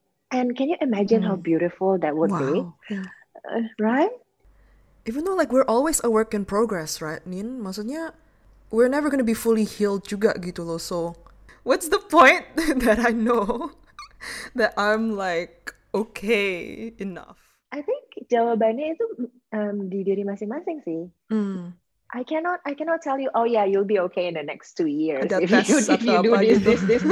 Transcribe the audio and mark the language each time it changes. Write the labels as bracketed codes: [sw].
[en] And can you imagine how beautiful that would be? Right? Even though like we're always a work in progress, right, Nin? [id] Maksudnya, [en] we're never gonna be fully healed [id] juga gitu loh. [en] So, what's the point that I know that I'm like okay enough? I think [id] jawabannya itu di diri masing-masing sih. [en] I cannot tell you, oh yeah, you'll be okay in the next 2 years if you do this.